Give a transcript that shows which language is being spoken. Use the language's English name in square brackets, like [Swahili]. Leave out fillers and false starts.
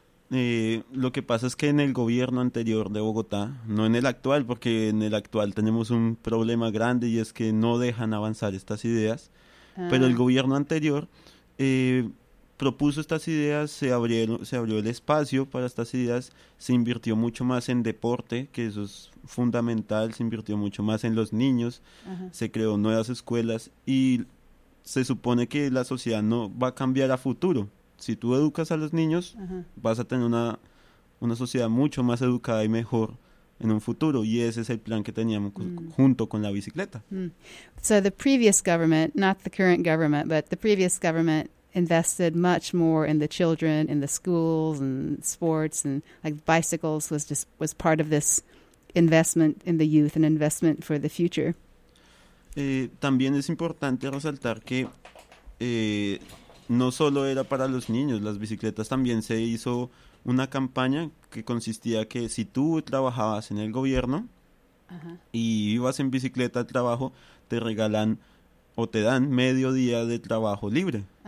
[Spanish] lo que pasa es que en el gobierno anterior de Bogotá, no en el actual, porque en el actual tenemos un problema grande y es que no dejan avanzar estas ideas, pero el gobierno anterior propuso estas ideas, se abrió el espacio para estas ideas, se invirtió mucho más en deporte, que eso es fundamental, se invirtió mucho más en los niños, se creó nuevas escuelas y se supone que la sociedad no va a cambiar a futuro. Si tú educas a los niños, vas a tener una sociedad mucho más educada y mejor en un futuro. Y ese es el plan que teníamos junto con la bicicleta. [English] So the previous government, not the current government, but the previous government invested much more in the children, in the schools and sports, and like bicycles was part of this investment in the youth, an investment for the future. [Spanish] También es importante resaltar que... no solo era para los niños, las bicicletas también se hizo una campaña que consistía que si tú trabajabas en el gobierno y ibas en bicicleta al trabajo, te regalan o te dan medio día de trabajo libre.